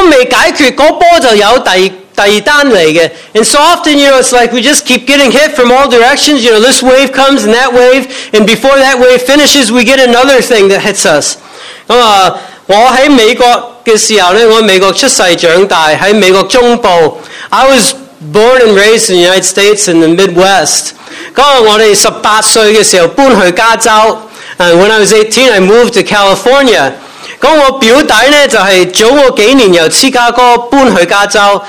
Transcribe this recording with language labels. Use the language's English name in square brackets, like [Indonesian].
[Chinese] 有時呢我們會覺得一波來一波走的都未解決那波就有第二單來的 [English] and so often it's like we just keep getting hit from all directions this wave comes and that wave and before that wave finishes we get another thing that hits us [Chinese] 我在美國的時候我在美國出生長大在美國中部 [English] I was born and raised in the United States in the Midwest [Chinese] 我們18歲的時候搬去加州 [English] And when I was 18, I moved to California. [Chinese] 我表弟呢,就是早我幾年由芝加哥搬去加州,